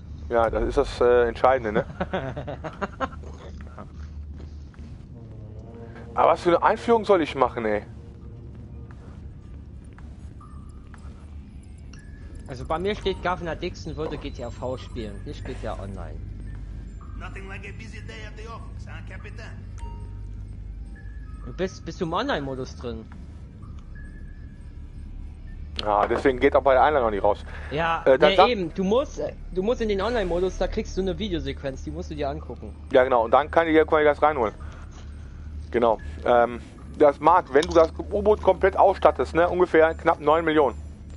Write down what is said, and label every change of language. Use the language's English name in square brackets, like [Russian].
[German] Ja, das ist das Entscheidende, ne? Aber was für eine Einführung soll ich machen, ey? Also Also bei mir steht, Governor Dixon würde GTA V spielen, nicht GTA Online. [English] Nothing like a busy day at the office, huh, Captain? [German] Bist du im Online-Modus drin? Ah, deswegen geht auch bei der Einladung noch nicht raus. Ja, du musst in den Online-Modus, da kriegst du eine Videosequenz, die musst du dir angucken. Ja, genau, und dann kann ich dir quasi das reinholen. Genau. Das mag, wenn du das U-Boot komplett ausstattest, ne, ungefähr knapp 9 Millionen.